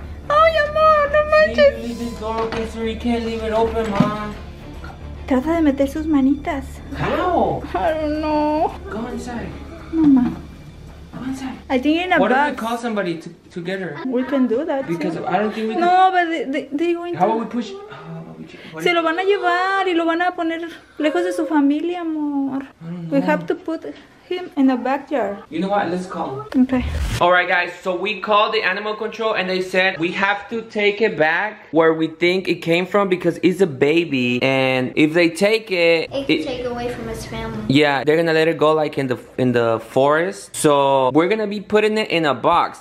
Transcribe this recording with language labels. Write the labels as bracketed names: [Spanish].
[English] Oh, your mom, [Spanish] no manches. [English] Leave this door open, sir. You can't leave it open, mom. [Spanish] Trata de meter sus manitas. [English] How? I don't know. Go inside. Mama. Inside. I think in a what box. What if we call somebody to get her? We can do that. Because too. I don't think we can. No, but they going how to. How about we push? [Spanish] Se lo van a llevar y lo van a poner lejos de su familia, amor. [English] I don't know. We have to put him in the backyard. You know what? Let's call. Okay. All right, guys. So we called the animal control and they said we have to take it back where we think it came from because it's a baby. And if they take it, it can take away from his family. Yeah, they're gonna let it go like in the forest. So we're gonna be putting it in a box.